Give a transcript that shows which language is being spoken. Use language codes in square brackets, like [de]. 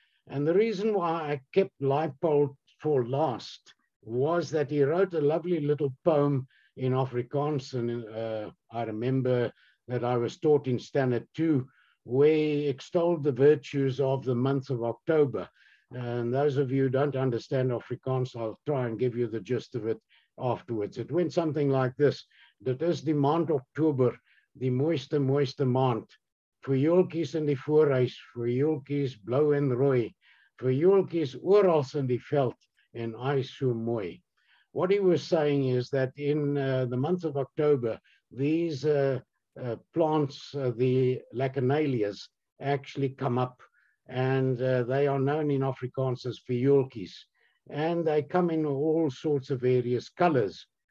[en] And the reason why I kept Leipold for last was that he wrote a lovely little poem in Afrikaans. And I remember that I was taught in Standard 2, where he extolled the virtues of the month of October. And those of you who don't understand Afrikaans, I'll try and give you the gist of it afterwards. It went something like this. [af] Dit is die maand Oktober, die mooiste, mooiste maand. Vir joeltjies in die voorhuis, vir joeltjies blou en rooi, vir joeltjies oral in die veld, en ai so mooi. [en] What he was saying is that in the month of October, these plants, the lacanalias, actually come up, and they are known in Afrikaans as vioolkies, and they come in all sorts of various colors.